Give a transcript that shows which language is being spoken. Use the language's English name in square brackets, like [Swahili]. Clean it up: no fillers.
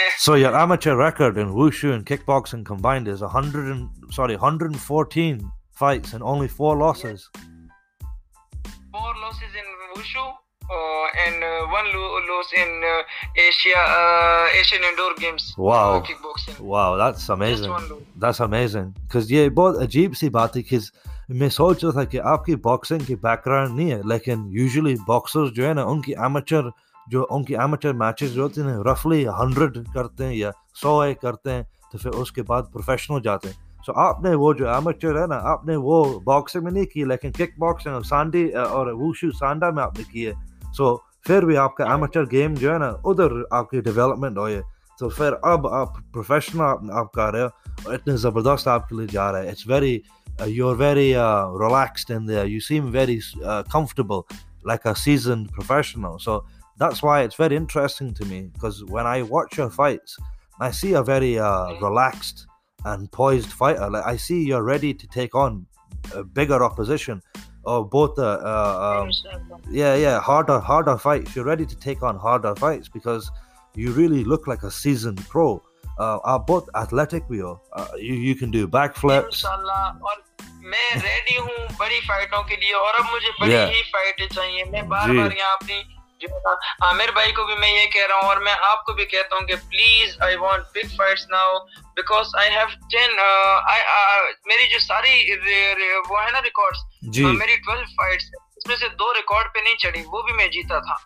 [English] So your amateur record in Wushu and kickboxing combined is 114 fights and only 4 losses. Yes. 4 losses in Wushu? And one loss in Asian Indoor Games. Wow! Kickboxing. Wow, that's amazing. That's amazing. [Hindi] Because ये बहुत अजीब सी बात है, कि मैं सोच रहा था कि आपकी boxing की background नहीं है, लेकिन usually boxers जो है ना, उनकी amateur matches जो होती हैं, roughly 100 करते हैं या 100 करते हैं, तो फिर उसके बाद professional जाते हैं। So आपने वो जो amateur है ना, आपने वो boxing में नहीं की, लेकिन kickboxing और wushu sanda में आपने की है। So फिर भी आपका amateur game जो है ना, उधर आपकी development हो है। So फिर अब आप professional आप कर रहे हो और इतने जबरदस्त आपके लिए जा रहा है। [English] It's very you're very relaxed in there. You seem very comfortable, like a seasoned professional. So that's why it's very interesting to me, because when I watch your fights, I see a very relaxed and poised fighter. Like I see you're ready to take on a bigger opposition. Or both the harder fights. You're ready to take on harder fights because you really look like a seasoned pro. Are both athletic, we are. You can do backflips. [Hindi] मैं ready हूँ बड़ी फाइटों के लिए और अब मुझे बड़ी ही फाइटें चाहिए। मैं बार बार यहाँ अपनी आमिर भाई को भी मैं ये कह रहा हूँ और मैं आपको भी कहता हूँ कि [English] please I want big fights now because I have [Hindi] 10 मेरी जो सारी वो है ना रिकॉर्ड्स, मेरी 12 फाइट्स उसमें से 2 रिकॉर्ड पे नहीं चढ़ी, वो भी मैं जीता था।